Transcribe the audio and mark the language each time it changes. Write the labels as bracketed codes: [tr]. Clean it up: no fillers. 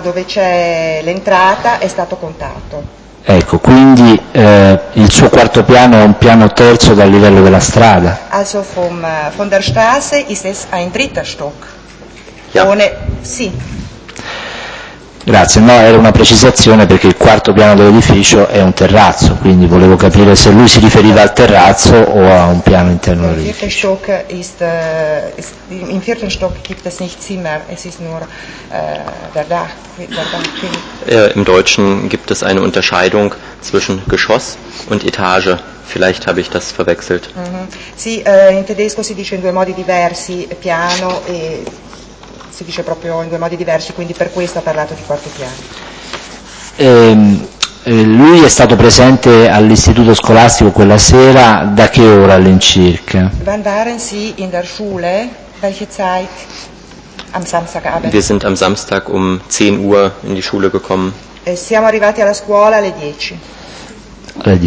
[it] dove c'è l'entrata, è stato contato. Ecco, quindi il suo quarto piano è un piano terzo dal livello della strada. [de] Also von der Straße ist es ein dritter Stock. Ja. Ohne, sì. [it] Grazie, no, era una precisazione perché il quarto piano dell'edificio è un terrazzo, quindi volevo capire se lui si riferiva al terrazzo o a un piano interno dell'edificio. [de] Vierten Stock in vierten Stock gibt es nicht Zimmer, es ist nur der Dach. Im Deutschen gibt es eine Unterscheidung zwischen Geschoss und Etage. Vielleicht habe ich das verwechselt. Mm-hmm. [it] Sì, in tedesco si dice in due modi diversi, piano e si dice proprio in due modi diversi, quindi per questo ha parlato di quarto piano. Lui è stato presente all'istituto scolastico quella sera da che ora all'incirca? [de] Wann waren Sie in der Schule? Welche Zeit? Am Samstagabend. Wir sind am Samstag um 10 Uhr in die Schule gekommen. [it] Siamo arrivati alla scuola alle 10.